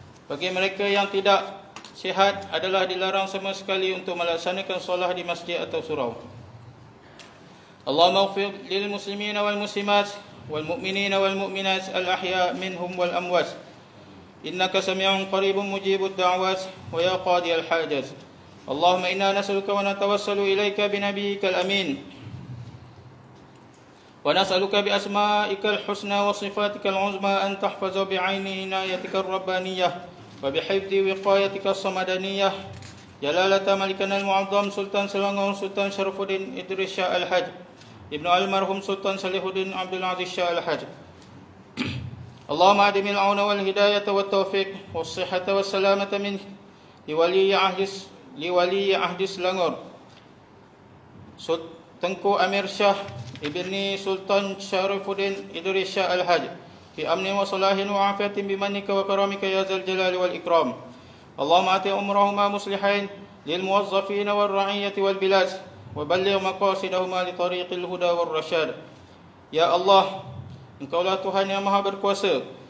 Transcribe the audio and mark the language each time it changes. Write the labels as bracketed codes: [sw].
[ms] Bagi mereka yang tidak sihat adalah dilarang sama sekali untuk melaksanakan solat di masjid atau surau. [ar] Allahumma ighfir lil muslimina wal muslimat wal mu'minina wal mu'minat al ahya minhum wal amwat إنك سميع قريب مجيب الدعوات ويا قاضي الحاجات. اللهم إنا نسألك ونتوسل إليك بنبيك الأمين ونسألك بأسمائك الحسنى وصفاتك العظمى أن تحفظ بعين عنايتك الربانية وبحفظ وقايتك الصمدانية جلالة ملكنا المعظم سلطان سلمان سلطان شرف الدين إدريس شاه الحج ابن المرحوم سلطان صلاح الدين عبد العزيز شاه الحج. اللهم أدم العون والهداية والتوفيق والصحة والسلامة من لولي عهد سلنغور تنكو أمير شاه ابن سلطان شرف الدين إدريس شاه الحج في أمن وصلاح وعافية بمنك وكرمك يا ذا الجلال والإكرام. اللهم أتي أمرهما مصلحين للموظفين والرعية والبلاد وبلغ مقاصدهما لطريق الهدى والرشاد. [ms] يا الله, Engkaulah Tuhan yang Maha Berkuasa.